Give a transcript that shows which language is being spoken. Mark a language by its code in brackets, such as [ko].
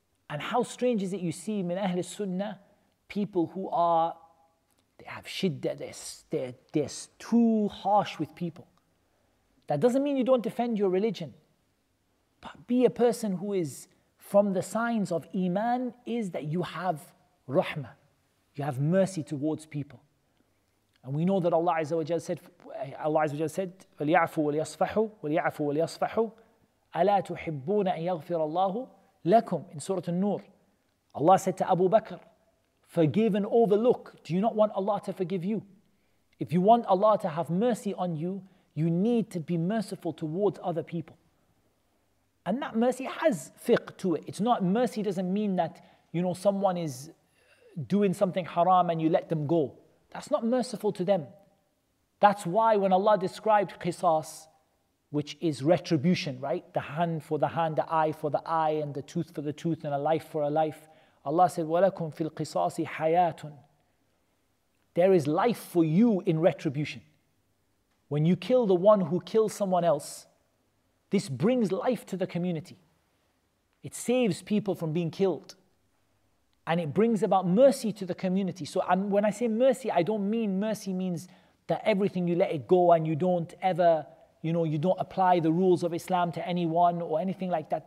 [en] And how strange is it you see in Ahlul Sunnah, people who are, they have shiddah, they're too harsh with people. That doesn't mean you don't defend your religion, but be a person who is, from the signs of Iman is that you have rahmah, you have mercy towards people. And we know that Allah Azza wa Jalla said, [ar] وَلْيَعْفُوا وَلْيَصْفَحُوا وَلْيَعْفُوا وَلْيَصْفَحُوا أَلَا تُحِبُّونَ أَنْ يَغْفِرَ اللَّهُ لَكُمْ. [en] In Surah An-Nur, Allah said to Abu Bakr, forgive and overlook. Do you not want Allah to forgive you? If you want Allah to have mercy on you, you need to be merciful towards other people. And that mercy has fiqh to it. It's not, mercy doesn't mean that, you know, someone is doing something haram and you let them go. That's not merciful to them. That's why when Allah described qisas, which is retribution, right? The hand for the hand, the eye for the eye, and the tooth for the tooth, and a life for a life. Allah said, [ar] وَلَكُمْ فِي الْقِصَاصِ حَيَاتٌ. [en] There is life for you in retribution. When you kill the one who kills someone else, this brings life to the community. It saves people from being killed. And it brings about mercy to the community. So when I say mercy, I don't mean mercy means that everything, you let it go and you don't ever, you know, you don't apply the rules of Islam to anyone or anything like that.